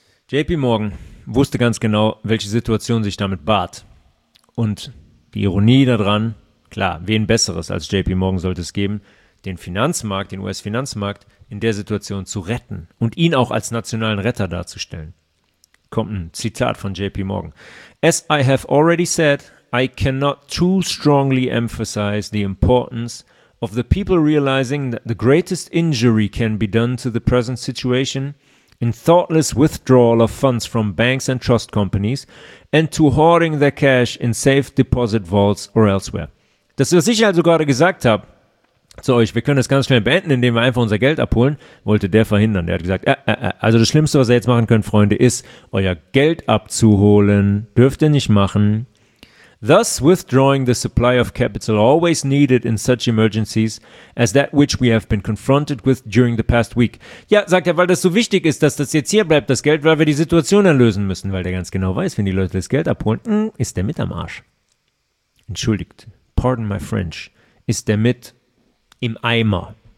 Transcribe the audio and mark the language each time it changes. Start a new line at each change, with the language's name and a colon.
German: JP Morgan wusste ganz genau, welche Situation sich damit bat. Und die Ironie daran, klar, wen Besseres als JP Morgan sollte es geben, den Finanzmarkt, den US-Finanzmarkt in der Situation zu retten und ihn auch als nationalen Retter darzustellen. Kommt ein Zitat von JP Morgan.
English: As I have already said, I cannot too strongly emphasize the importance of the people realizing that the greatest injury can be done to the present situation in thoughtless withdrawal of funds from banks and trust companies and to hoarding their cash in safe deposit vaults or elsewhere.
German: Das, was ich also gerade gesagt habe zu euch, wir können das ganz schnell beenden, indem wir einfach unser Geld abholen, wollte der verhindern. Der hat gesagt, also das Schlimmste, was ihr jetzt machen könnt, Freunde, ist, euer Geld abzuholen. Dürft ihr nicht machen.
English: Thus withdrawing the supply of capital always needed in such emergencies as that which we have been confronted with during the past week.
German: Ja, sagt er, weil das so wichtig ist, dass das jetzt hier bleibt, das Geld, weil wir die Situation erlösen müssen, weil der ganz genau weiß, wenn die Leute das Geld abholen, ist der mit am Arsch. Entschuldigt,
English: pardon my French,
German: ist der mit im Eimer.